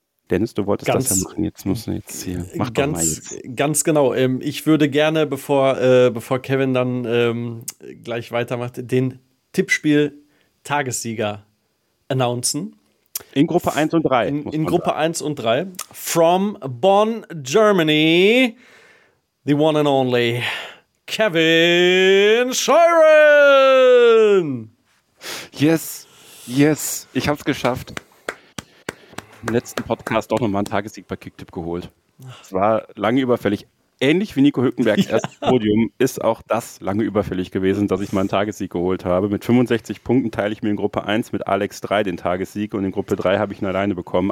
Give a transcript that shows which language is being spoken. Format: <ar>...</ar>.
<de>Dennis, du wolltest das ja machen, jetzt musst du jetzt hier, mach ganz, doch mal jetzt. Ganz genau, ich würde gerne, bevor Kevin dann gleich weitermacht, den Tippspiel-Tagessieger announcen. In Gruppe 1 und 3. In Gruppe 1 und 3.</de> <en>From Bonn, Germany, the one and only Kevin Scheuren!</en> <de>Yes, yes, ich hab's geschafft. Im letzten Podcast auch nochmal einen Tagessieg bei Kicktipp geholt. Es war lange überfällig. Ähnlich wie Nico Hülkenbergs ja. Erstes Podium ist auch das lange überfällig gewesen, dass ich meinen Tagessieg geholt habe. Mit 65 Punkten teile ich mir in Gruppe 1 mit Alex 3 den Tagessieg und in Gruppe 3 habe ich ihn alleine bekommen.</de>